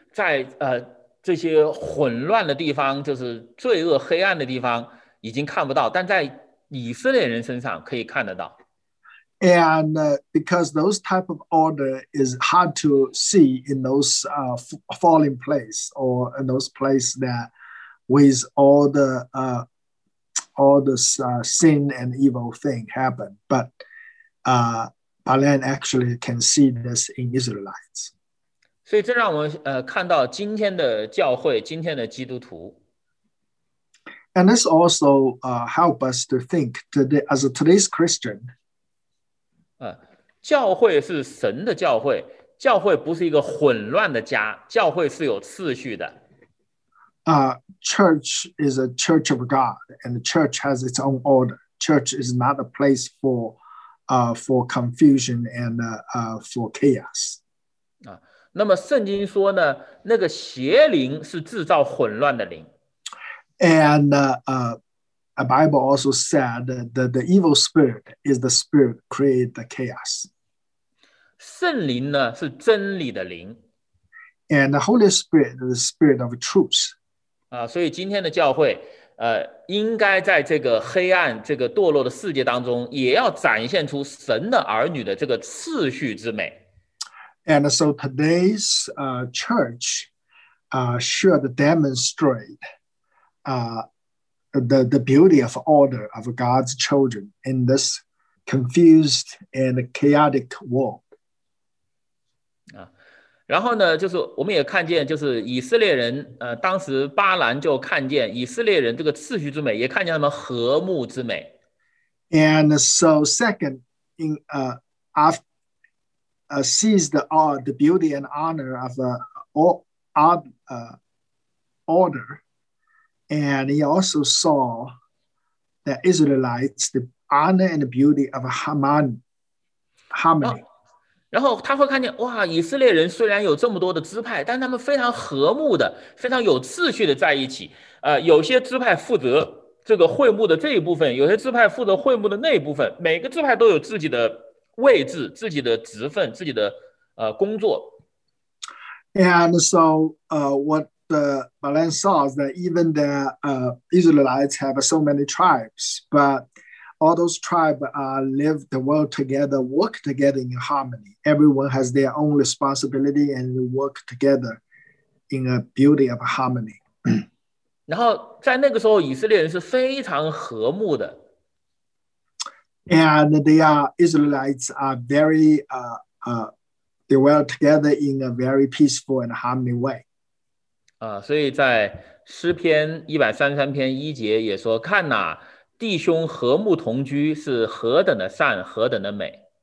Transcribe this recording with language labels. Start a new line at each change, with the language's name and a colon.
Chinese: 在这些混乱的地方，就是罪恶黑暗的地方，已经看不到，但在以色列人身上可以看得到。
English: And because those type of order is hard to see in those falling place or in those place that with all this sin and evil thing happen, but Balan actually can see this in Israelites.
Chinese: 所以这让我们看到今天的教会，今天的基督徒。
English: And this also help us to think today as a today's Christian.
Chinese: 教会是神的教会，教会不是一个混乱的家，教会是有次序的。
English: Church is a church of God, and the church has its own order. Church is not a place for confusion and for chaos.
Chinese: 那么圣经说呢，那个邪灵是制造混乱的灵。
English: And a Bible also said that the evil spirit is the spirit create the chaos.
Chinese: 圣灵呢是真理的灵。
English: And the Holy Spirit is the spirit of truth.
Chinese: 所以今天的教会应该在这个黑暗这个堕落的世界当中也要展现出神的儿女的这个次序之美。
English: And so today's church should demonstrate the beauty of order of God's children in this confused and chaotic world.
Chinese: 然后呢，就是我们也看见，就是以色列人，当时巴兰就看见以色列人这个次序之美，也看见他们和睦之美。
English: And so second, in after. Sees the beauty and honor of the order, and he also saw the Israelites, the honor and the beauty of harmony.
Chinese: 然后他会看见，哇，以色列人虽然有这么多的支派，但他们非常和睦的，非常有秩序的在一起。有些支派负责这个会幕的这一部分，有些支派负责会幕的那一部分，每个支派都有自己的。位置自己的职分自己的工作。
English: And so what Balan saw is that even the Israelites have so many tribes, but all those tribes live the world together, work together in harmony. Everyone has their own responsibility and work together in a beauty of harmony.
Chinese: 然后在那个时候以色列人是非常和睦的。
English: And the Israelites are very, they were together in a very peaceful and harmony way.
Chinese: 所以在诗篇133篇一节也说，看哪，弟兄和睦同居是何等的善，何等的美。